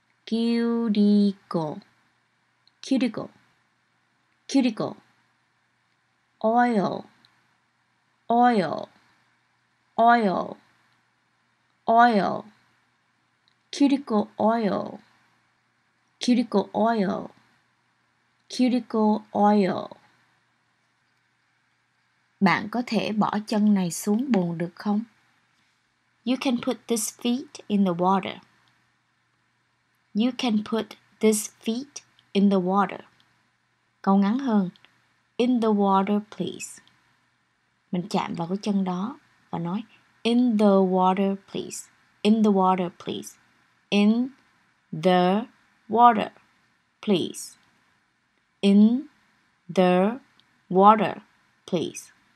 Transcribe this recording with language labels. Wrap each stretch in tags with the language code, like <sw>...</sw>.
<en>Cuticle. Cuticle. Cuticle. Oil. Oil. Oil. Oil. Cuticle oil. Cuticle oil. Cuticle oil.</en> <vi>Bạn có thể bỏ chân này xuống bồn được không?</vi> <en>You can put this feet in the water. You can put this feet in the water.</en> <vi>Câu ngắn hơn.</vi> <en>In the water, please.</en> <vi>Mình chạm vào cái chân đó và nói</vi> <en>in the water, please. In the water, please. In the water, please. in the water, please.</en>